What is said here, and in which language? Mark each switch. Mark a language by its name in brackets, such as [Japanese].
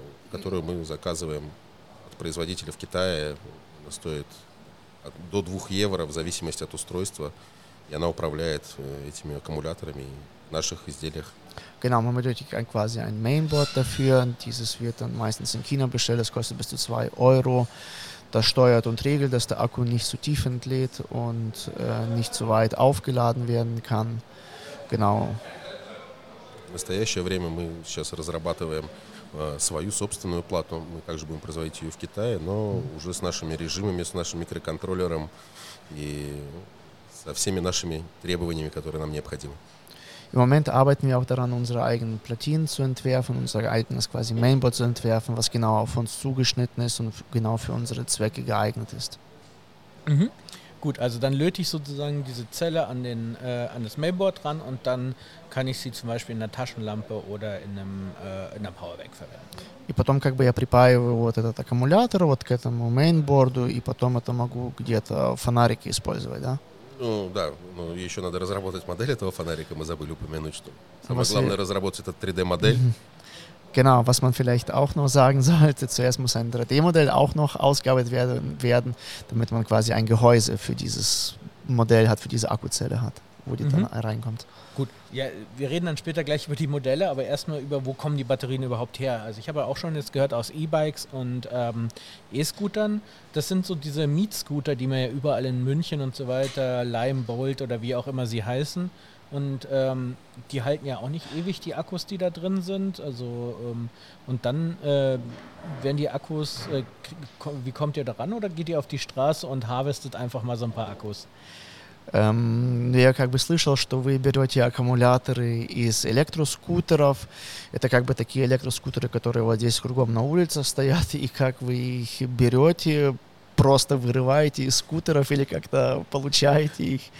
[Russian] которую мы заказываем от производителя в Китае, стоит до 2 евро в зависимости от устройства, и она управляет этими аккумуляторами в наших изделиях. [German] Genau, man benötigt quasi ein Mainboard dafür. Dieses wird dann meistens in China bestellt. Das kostet bis zu 2 Euro. Das steuert und regelt, dass der Akku nicht zu tief entlädt und nicht zu weit aufgeladen werden kann. Genau. [Russian] В настоящее время мы сейчас разрабатываем свою собственную плату. Мы также будем производить ее в Китае, но уже с нашими режимами, с нашим микроконтроллером и со всеми нашими требованиями, которые нам необходимы. [German] Im Moment arbeiten wir auch daran, unsere eigenen Platinen zu entwerfen, unser eigenes quasi Mainboard zu entwerfen, was genau auf uns zugeschnitten ist und genau für unsere Zwecke geeignet ist. Mhm. Gut, also dann löte ich sozusagen diese Zelle an den an das Mainboard ran und dann kann ich sie zum Beispiel in der Taschenlampe oder in einem Powerbank verwenden. [Russian] И потом как бы я припаиваю вот этот аккумулятор вот к этому мейнборду и потом это могу где-то фонарики использовать, да? Ну да, но еще надо разработать модель этого фонарика, мы забыли упомянуть, что самое главное разработать этот 3D-модель. [German] Genau, was man vielleicht auch noch sagen sollte, zuerst muss ein 3D-Modell auch noch ausgearbeitet werden, damit man quasi ein Gehäuse für dieses Modell hat, für diese Akkuzelle hat, wo die dann reinkommt. Gut, ja, wir reden dann später gleich über die Modelle, aber erstmal über, wo kommen die Batterien überhaupt her? Also ich habe auch schon jetzt gehört aus E-Bikes und E-Scootern, das sind so diese Mietscooter, die man ja überall in München und so weiter, Lime, Bolt oder wie auch immer sie heißen. Und die halten ja auch nicht ewig die Akkus, die da drin sind. Also und dann werden die Akkus, wie kommt ihr da ran oder geht ihr auf die Straße und harvestet einfach mal so ein paar Akkus? [Russian] Я как бы слышал, что вы берете аккумуляторы из электроскутеров. Это как бы такие электроскутеры, которые вот здесь кругом на улице стоят. И как вы их берете? Просто вырываете из скутеров или как-то получаете их?